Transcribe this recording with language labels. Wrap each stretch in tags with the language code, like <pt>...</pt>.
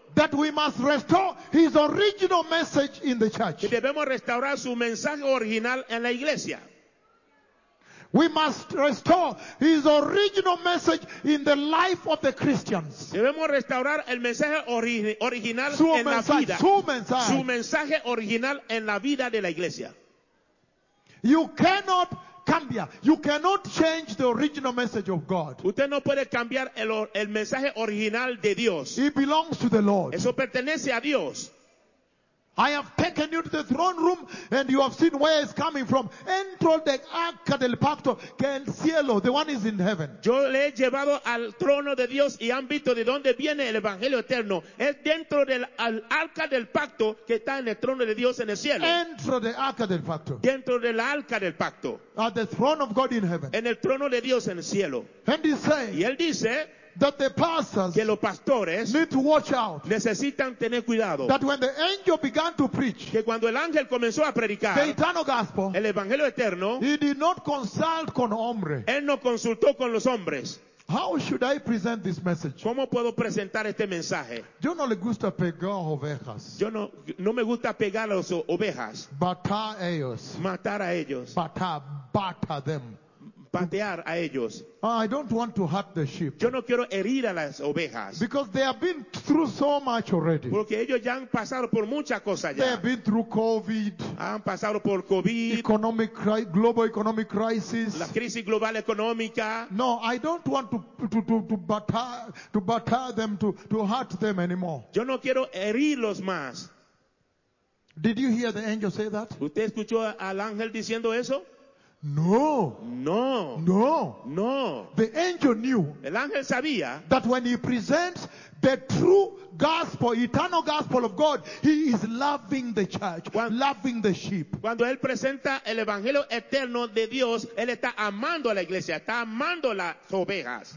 <en>That we must restore his original message in the church.</en> <es>Que debemos restaurar su mensaje original en la iglesia.</es> <en>We must restore his original message in the life of the Christians.</en> <es>Debemos restaurar el mensaje original su en mensaje, la vida. Su mensaje. Su mensaje original en la vida de la iglesia.</es> <en>You cannot cambia. You cannot change the original message of God.</en> <es>Usted no puede cambiar el mensaje original de Dios.</es> <en>It belongs to the Lord.</en> <es>Eso pertenece a Dios.</es> <en>I have taken you to the throne room and you have seen where it's coming from.</en> <es>Entro de arca del pacto que el cielo,</es> <en>the one is in heaven.</en> <es>Yo le he llevado al trono de Dios y han visto de dónde viene el evangelio eterno. Es dentro del arca del pacto que está en el trono de Dios en el cielo. Entro de arca del pacto. Dentro del arca del pacto.</es> <en>At the throne of God in heaven.</en> <es>En el trono de Dios en el cielo.</es> <en>And he says,</en> <es>y él dice,</es> <en>that the pastors,</en> <es>que los pastores,</es> <en>need to watch out.</en> <es>Necesitan tener cuidado.</es> <en>That when the angel began to preach,</en> <es>que cuando el ángel comenzó a predicar,</es> <en>the eternal gospel,</en> <es>el evangelio eterno,</es> <en>he did not consult</en> <es>con hombre. Él no consultó con los hombres.</es> <en>How should I present this message?</en> <es>¿Cómo puedo presentar este mensaje? Yo no le gusta pegar ovejas. Yo no me gusta pegar a las ovejas. Matar a ellos. Matar a ellos.</es> <en>Batar them.</en> <es>Patear a ellos.</es> <en>I don't want to hurt the sheep.</en> <es>Yo no quiero herir a las ovejas.</es> <en>Because they have been through so much already.</en> <es>Porque ellos ya han pasado por muchas cosas ya.</es> <en>They have been through COVID.</en> <es>Han pasado por COVID.</es> <en>Global economic crisis.</en> <es>La crisis global económica.</es> <en>No, I don't want to batter them to hurt them anymore.</en> <es>Yo no quiero herirlos más.</es> <en>Did you hear the angel say that?</en> <es>¿Usted escuchó al ángel diciendo eso?</es> <en>No.</en> <es>No.</es> <en>No.</en> <es>No.</es> <en>The angel knew.</en> <es>El ángel sabía</es> <en>that when he presents the true gospel, eternal gospel of God, he is loving the church, loving the sheep.</en> <es>Cuando él presenta el evangelio eterno de Dios, él está amando a la iglesia, está amando las ovejas.</es>